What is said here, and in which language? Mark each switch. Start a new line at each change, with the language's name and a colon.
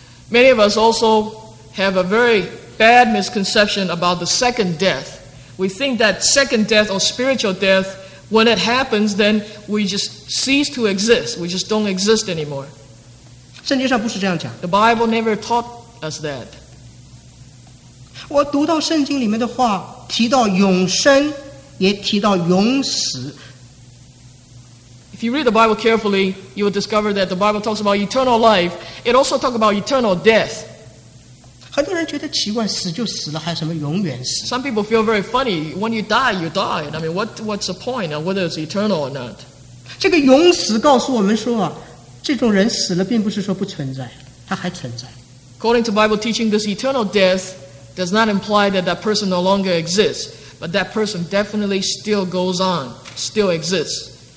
English: Many of us also have a very bad misconception about the second death. We think that second death or spiritual death, when it happens, then we just cease to exist. We just don't exist anymore. The Bible never taught us that.
Chinese: 我读到圣经里面的话，提到永生，也提到永死。
English: If you read the Bible carefully, you will discover that the Bible talks about eternal life. It also talks about eternal death.
Chinese: 很多人觉得奇怪，死就死了，还有什么永远死？
English: Some people feel very funny. When you die, you die. I mean, what's the point? Whether it's eternal or not?
Chinese: 这个永死告诉我们说，这种人死了，并不是说不存在，他还存在。
English: According to Bible teaching, this eternal death does not imply that that person no longer exists, but that person definitely still goes on, still exists.